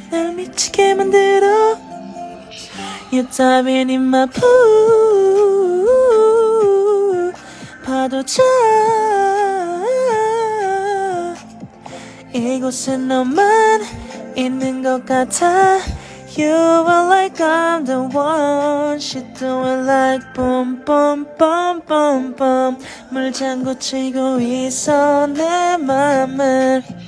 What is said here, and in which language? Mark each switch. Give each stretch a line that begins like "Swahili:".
Korean: 날 미치게 만들어.
English: You're diving in my pool.
Korean: 파도처럼 이곳은 너만 있는 것 같아.
English: You are like I'm the one. She's doing like boom boom boom boom boom.
Korean: 물장구 치고 있어 내 맘을.